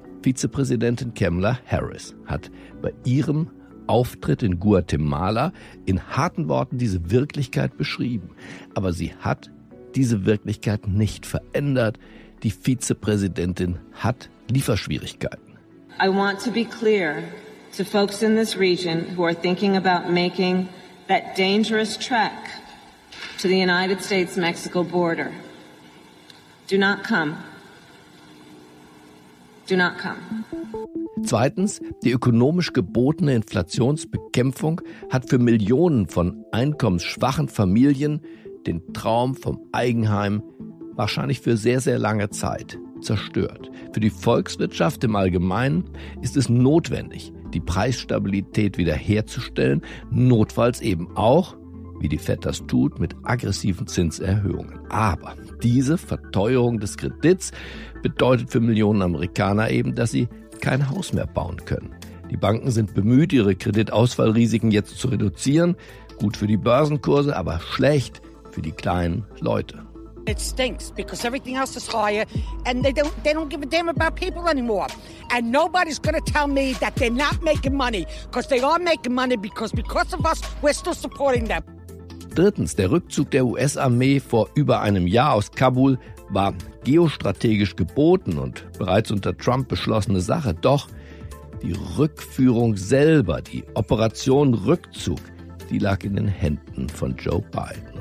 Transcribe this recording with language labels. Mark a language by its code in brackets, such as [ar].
[de] Vizepräsidentin Kamala Harris hat bei ihrem Auftritt in Guatemala in harten Worten diese Wirklichkeit beschrieben, aber sie hat diese Wirklichkeit nicht verändert. Die Vizepräsidentin hat Lieferschwierigkeiten. [en] I want to be clear to folks in this region who are thinking about making that dangerous trek to the United States-Mexico border. Do not come. Do not come. [de] Zweitens, die ökonomisch gebotene Inflationsbekämpfung hat für Millionen von einkommensschwachen Familien den Traum vom Eigenheim wahrscheinlich für sehr, sehr lange Zeit zerstört. Für die Volkswirtschaft im Allgemeinen ist es notwendig, die Preisstabilität wiederherzustellen, notfalls eben auch, wie die Fed das tut, mit aggressiven Zinserhöhungen. Aber diese Verteuerung des Kredits bedeutet für Millionen Amerikaner eben, dass sie kein Haus mehr bauen können. Die Banken sind bemüht, ihre Kreditausfallrisiken jetzt zu reduzieren. Gut für die Börsenkurse, aber schlecht für die kleinen Leute. [en] It stinks because everything else is higher and they don't give a damn about people anymore. And nobody's going to tell me that they're not making money, because they are making money because of us, we're still supporting them. [de] Drittens, der Rückzug der US-Armee vor über einem Jahr aus Kabul war geostrategisch geboten und bereits unter Trump beschlossene Sache. Doch die Rückführung selber, die Operation Rückzug, die lag in den Händen von Joe Biden.